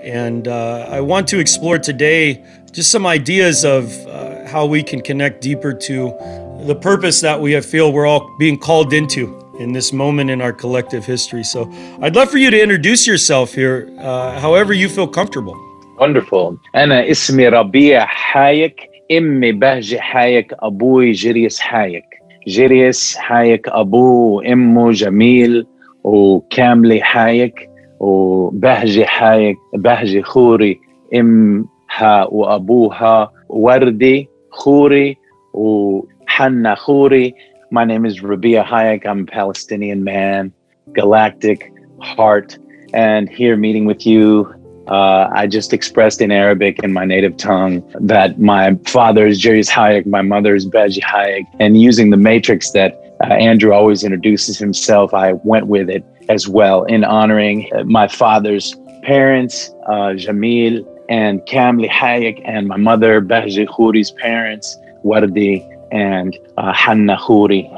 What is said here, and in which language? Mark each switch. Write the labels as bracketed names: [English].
[English] And I want to explore today just some ideas of how we can connect deeper to the purpose that we feel we're all being called into in this moment in our collective history. So I'd love for you to introduce yourself here, however you feel comfortable. Wonderful. [Arabic] أنا اسمي ربيع حايك، إمي بهجة حايك، أبوي جريس حايك. جريس حايك أبوه وإمه جميل وكاملة حايك، وبهجة حايك بهجة خوري إمها وأبوها وردي خوري وحنا خوري. [English] My name is ربيع حايك. I'm a Palestinian man, galactic heart, and here meeting with you. I just expressed in Arabic in my native tongue that my father is Jerry's Hayek, my mother is Beji Hayek, and using the matrix that Andrew always introduces himself, I went with it as well in honoring my father's parents, Jamil and Kamli Hayek, and my mother, Beji Khouri's parents, Wardi and Hanna Khouri.